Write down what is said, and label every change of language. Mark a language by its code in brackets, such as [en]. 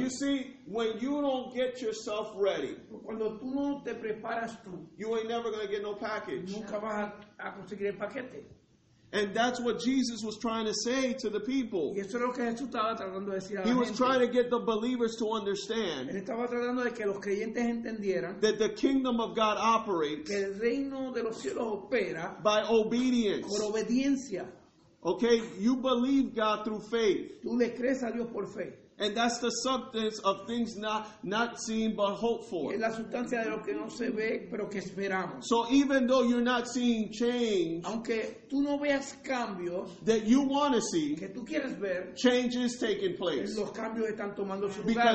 [en] You see, when you don't get yourself ready, [es] cuando tú no te preparas tú, [en] you ain't never going to get no package. [es] Nunca vas a conseguir el paquete. [en] And that's what Jesus was trying to say to the people. [es] Y eso es lo que Jesús estaba tratando de decir a la [en] gente. He was trying to get the believers to understand. [es] Él estaba tratando de que los creyentes entendieran [en] that the kingdom of God operates, [es] que el reino de los cielos opera, [en] by obedience. [es] Por obediencia. [en] Okay, you believe God through faith. [es] Tú le crees a Dios por fe. [en] And that's the substance of things not seen but hoped for. [es] Es la sustancia de lo que no se ve, pero que esperamos. [en] So even though you're not seeing change, [es] aunque tú no veas cambios, [en] that you want to see, [es] que tú quieres ver, [en] change is taking place. [es] Los cambios están tomando su lugar.